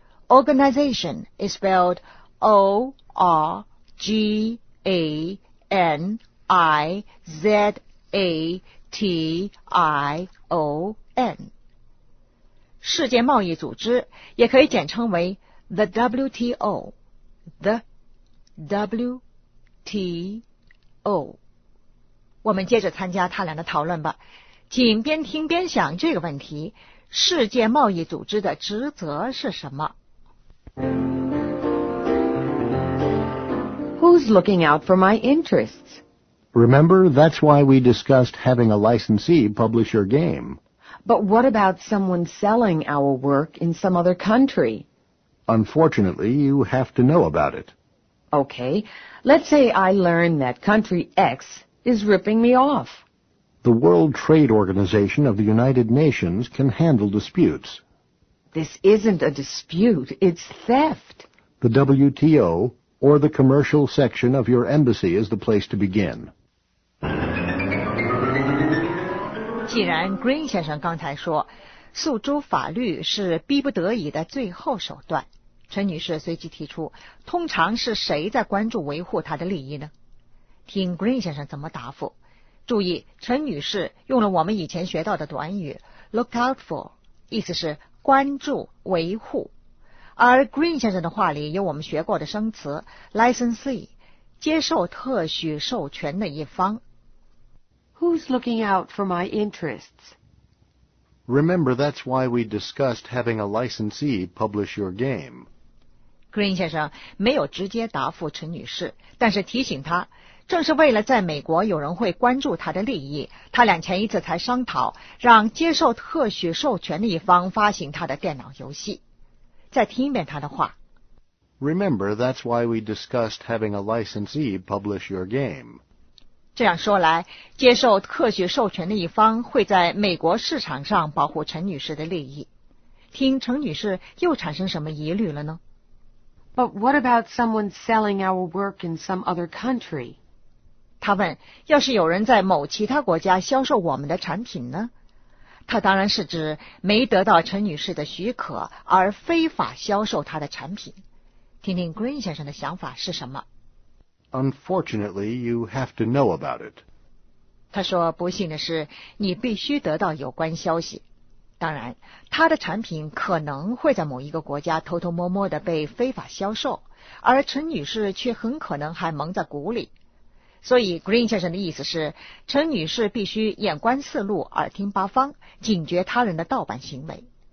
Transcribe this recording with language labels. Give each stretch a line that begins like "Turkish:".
English: Organization is spelled O-R-G-A-N-I-Z-A-T-I-O-N.
Chinese: 世界贸易组织也可以简称为 the WTO, the WTO。我们接着参加他俩的讨论吧，请边听边想这个问题，世界贸易组织的职责是什么？
English: Who's looking out for my interests? Remember, that's why we discussed having a licensee publish your game. But what about someone selling our work in some other country? Unfortunately, you have to know about it. Okay, let's say I learn that country X is ripping me off. The World Trade Organization of the United Nations can handle disputes. This isn't a dispute, it's theft. The WTO... or the commercial section of your embassy is the place to begin.
Chinese: 既然 Green 先生刚才说诉诸法律是逼不得已的最后手段，陈女士随即提出，通常是谁在关注维护她的利益呢？听 Green 先生怎么答复。注意，陈女士用了我们以前学到的短语 look out for, 意思是关注维护。而 Green 先生的话里有我们学过的生词 licensee, 接受特许授权的一方。
English: Who's looking out for my interests? Remember, that's why we discussed having a licensee publish your game.
Chinese: Green 先生没有直接答复陈女士，但是提醒她，正是为了在美国有人会关注她的利益，她俩前一次才商讨让接受特许授权的一方发行她的电脑游戏。再听一遍他的话。
English: Remember, that's why we discussed having a licensee publish your game.
Chinese: 这样说来，接受特许授权的一方会在美国市场上保护陈女士的利益。听陈女士又产生什么疑虑了呢？
English: But what about someone selling our work in some other country?
Chinese: 她问，要是有人在某其他国家销售我们的产品呢？他当然是指没得到陈女士的许可而非法销售她的产品。听听 Green 先生的想法是什么。
English: Unfortunately, you have to know about it.
Chinese: 他说，不幸的是，你必须得到有关消息。当然，他的产品可能会在某一个国家偷偷摸摸地被非法销售，而陈女士却很可能还蒙在鼓里。所以 Green 先生的意思是，陈女士必须眼观四路，耳听八方，警觉他人的盗版行为。